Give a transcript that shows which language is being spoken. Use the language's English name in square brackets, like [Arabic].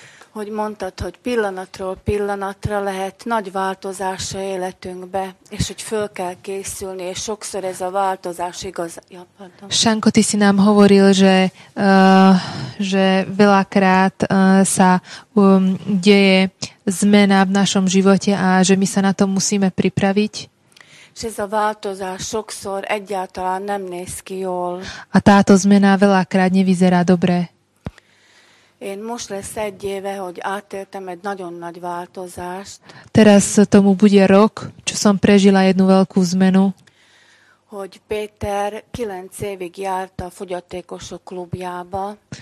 [Hungarian] Hogy mondtad, hogy pillanatról pillanatra lehet nagy változás a életünkbe, és hogy föl kell készülni, és sokszor ez a változás igaz. [Slovak] Šanko, ty si nám hovoril, že veľakrát sa deje zmena v našom živote a že my sa na to musíme pripraviť. [Hungarian] És ez a változás sokszor egyáltalán nem néz ki jól. [Slovak] A táto zmena veľakrát nevyzerá dobre. [Hungarian] Én most lesz egy éve, hogy átéltem egy nagyon nagy változást. [Slovak] Teraz tomu bude rok, čo som prežila jednu veľkú zmenu. [Hungarian] Hogy Péter 9 évig járt a fogyatékosok klubjába.